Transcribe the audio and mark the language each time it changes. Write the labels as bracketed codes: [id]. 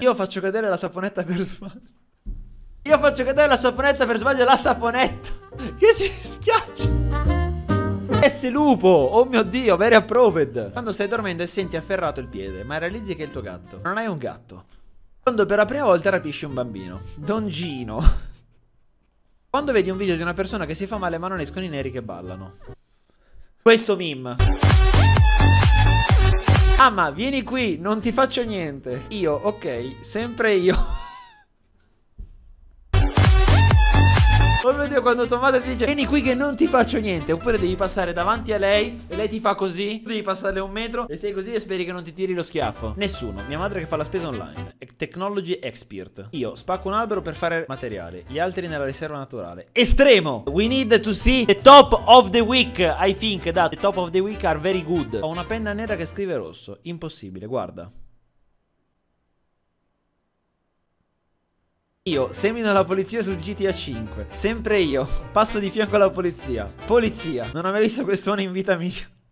[it] Io faccio cadere la saponetta per sbaglio. La saponetta che si schiaccia. S lupo, oh mio dio, [en] very approved. [it] Quando stai dormendo e senti afferrato il piede, ma realizzi che è il tuo gatto. Non hai un gatto. Quando per la prima volta rapisci un bambino. Don Gino. Quando vedi un video di una persona che si fa male ma non escono i neri che ballano. Questo meme. Mamma, vieni qui, non ti faccio niente. Io, ok, sempre io. Oh mio dio, quando tua madre ti dice vieni qui che non ti faccio niente. Oppure devi passare davanti a lei e lei ti fa così. Devi passarle 1 metro e stai così e speri che non ti tiri lo schiaffo. Nessuno, mia madre che fa la spesa online. [en] Technology expert. [it] Io spacco un albero per fare materiale. Gli altri nella riserva naturale. Estremo. [en] We need to see the top of the week. I think that the top of the week are very good. [it] Ho una penna nera che scrive rosso. Impossibile, guarda. Io semino la polizia su GTA 5. Sempre io. Passo di fianco alla polizia. Polizia. Non avevo visto quest'ora in vita mia.